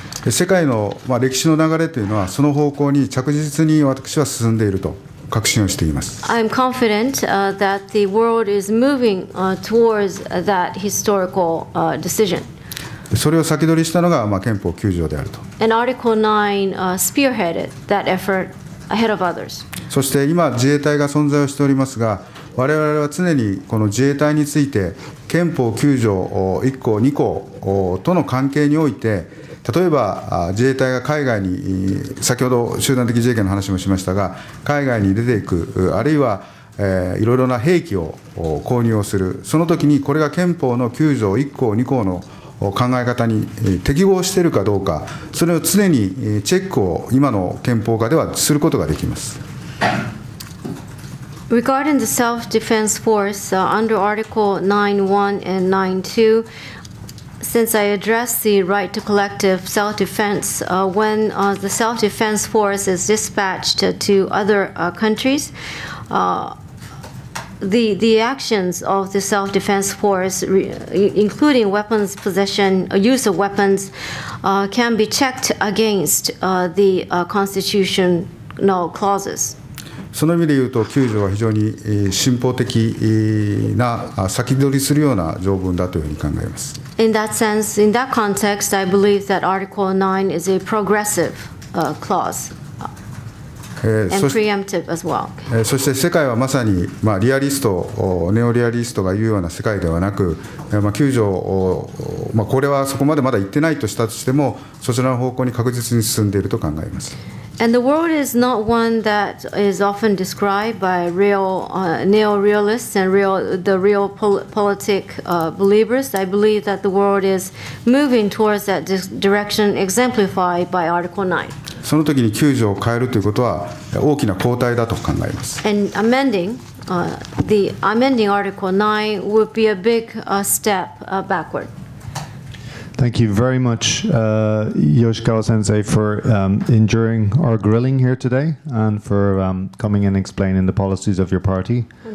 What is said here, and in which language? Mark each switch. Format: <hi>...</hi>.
<ja>世界の、まあ、歴史の流れというのはその方向に着実に私は進んでいると確信をしています。</ja> <en>I'm confident that the world is moving towards that historical decision.</en> <ja>それを先取りしたのが、まあ、憲法9条であると。</ja> <en>And Article 9 spearheaded that effort ahead of others.</en> <ja>そして今自衛隊が存在をしておりますが、我々は常にこの自衛隊について憲法9条1項2項との関係において、例えば自衛隊が海外に、先ほど集団的自衛権の話もしましたが、海外に出ていく、あるいはいろいろな兵器を購入をする、その時にこれが憲法の9条1項2項の考え方に適合しているかどうか、それを常にチェックを今の憲法下ではすることができます。</ja> <en>Regarding the self-defense force, under Article 9.1 and 9.2, since I address the right to collective self-defense, when the self-defense force is dispatched to other countries, the actions of the self-defense force, including weapons possession, use of weapons, can be checked against the constitutional clauses.</en> <ja>その意味で言うと9条は非常に進歩的な先取りするような条文だというふうに考えます。</ja> <en>In that sense, in that context, I believe that Article 9 is a progressive clause and preemptive as well.</en> <ja>そして世界はまさに、まあ、リアリスト、ネオリアリストが言うような世界ではなく、まあ、9条、まあ、これはそこまでまだ行ってないとしたとしても、そちらの方向に確実に進んでいると考えます。</ja> <en>And the world is not one that is often described by real neo-realists and the real politic believers. I believe that the world is moving towards that direction exemplified by Article 9.</en> <ja>その時に9条を変えるということは大きな後退だと考えます。</ja> <en>And amending Article 9 would be a big step backward. Thank you very much, Yoshikawa-sensei, for enduring our grilling here today and for coming and explaining the policies of your party.</en>